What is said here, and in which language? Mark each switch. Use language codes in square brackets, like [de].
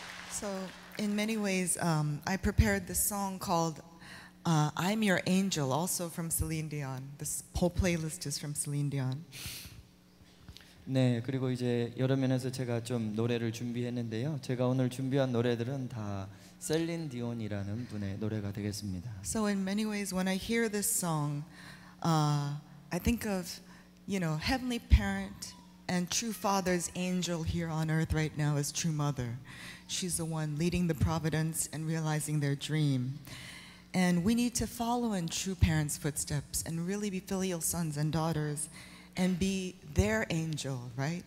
[en] So in many ways, I prepared this song called I'm Your Angel, also from Celine Dion. This whole playlist is from Celine Dion. [ko] 네, 그리고 이제 여러 면에서 제가 좀 노래를 준비했는데요. 제가 오늘 준비한 노래들은 다 셀린 디온이라는 분의 노래가 되겠습니다. [en] So in many ways, when I hear this song, I think of, you know, Heavenly Parent and True Father's angel here on earth right now is True Mother. She's the one leading the providence and realizing their dream. And we need to follow in true parents' footsteps and really be filial sons and daughters and be their angel, right?